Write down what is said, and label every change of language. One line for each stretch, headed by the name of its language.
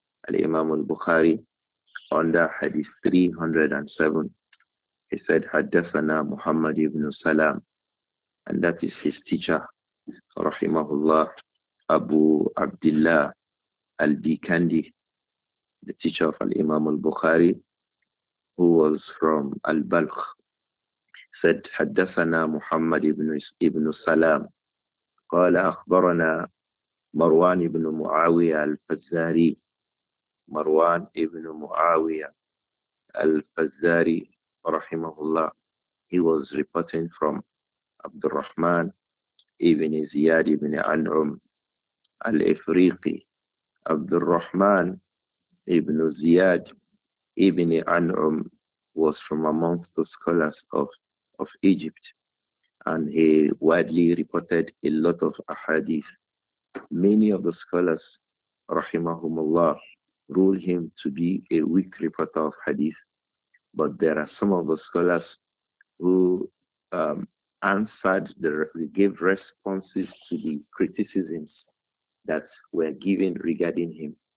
English: الإمام البخاري under Hadith 307, he said, Haddathana Muhammad ibn Salam, and that is his teacher, rahimahullah, Abu Abdullah al-Bikandi, the teacher of al-Imam al-Bukhari, who was from al-Balkh, said, Haddathana Muhammad ibn Salam,
Arabic: قال أخبرنا مروان بن معاوية الفزاري. مروان بن معاوية الفزاري رحمه الله.
English: He was reporting from عبد الرحمن ابن زياد بن أنعم الإفريقي. عبد الرحمن ابن زياد ابن أنعم was from among the scholars of Egypt, and he widely reported a lot of ahadith. Many of the scholars, rahimahumullah, rule him to be a weak reporter of hadith, but there are some of the scholars who answered, gave responses to the criticisms that were given regarding him.